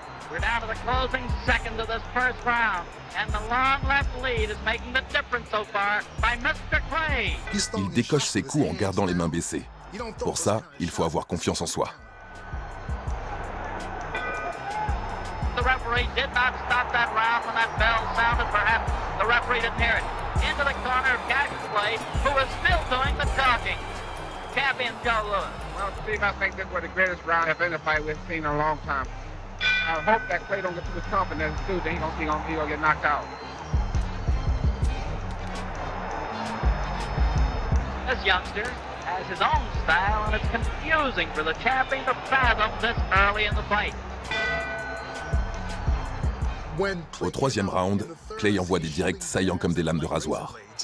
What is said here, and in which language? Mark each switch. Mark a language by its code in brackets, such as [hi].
[en] We're down to the closing second of this first round, and the long left lead is making the difference so far by Mr. Clay. [fr] Il décoche ses coups en gardant les mains baissées. Pour ça, il faut avoir confiance en soi. [en] The referee did not stop that round when that bell sounded. Perhaps the referee didn't hear it. Into the corner of Cassius Clay, who is still doing the talking. Champion Joe Louis. Well, Steve, I think this was the greatest round of any fight we've seen in a long time. I hope that Clay don't get to the top and then the dude ain't gonna be gonna get knocked out. This youngster has his own style and it's confusing for the champion to fathom this early in the fight. [fr] Au troisième round, Clay envoie des directs saillants comme des lames de rasoir.